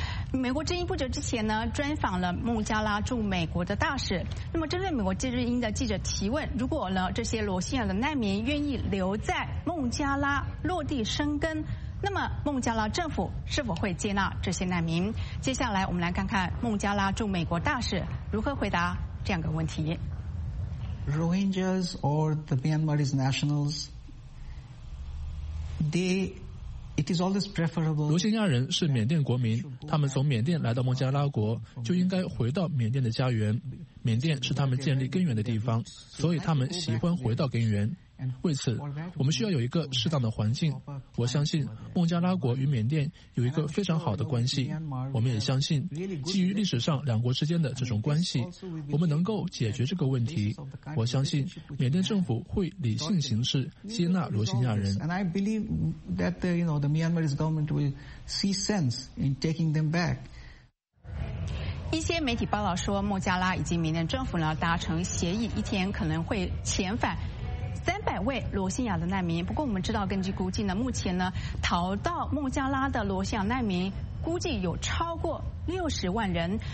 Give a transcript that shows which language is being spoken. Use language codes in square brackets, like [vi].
[zh] 美国之音不久之前呢专访了孟加拉驻美国的大使，那么针对美国之音的记者提问，如果呢这些罗兴亚的难民愿意留在孟加拉落地生根，那么孟加拉政府是否会接纳这些难民？接下来我们来看看孟加拉驻美国大使如何回答这样个问题。 [en] Rohingyas or the Myanmarese nationals, It is always preferable. [zh] 罗兴亚人是缅甸国民，他们从缅甸来到孟加拉国，就应该回到缅甸的家园。缅甸是他们建立根源的地方，所以他们喜欢回到根源。为此，我们需要有一个适当的环境。我相信孟加拉国与缅甸有一个非常好的关系。我们也相信，基于历史上两国之间的这种关系，我们能够解决这个问题。我相信缅甸政府会理性行事，接纳罗兴亚人。 [en] And I believe that the, you know, the Myanmarese government will see sense in taking them back. [zh] 一些媒体报道说，孟加拉以及缅甸政府呢达成协议，一天可能会遣返 300位罗兴亚的难民。不过我们知道，根据估计呢，目前呢逃到孟加拉的罗兴亚难民估计有超过60万人。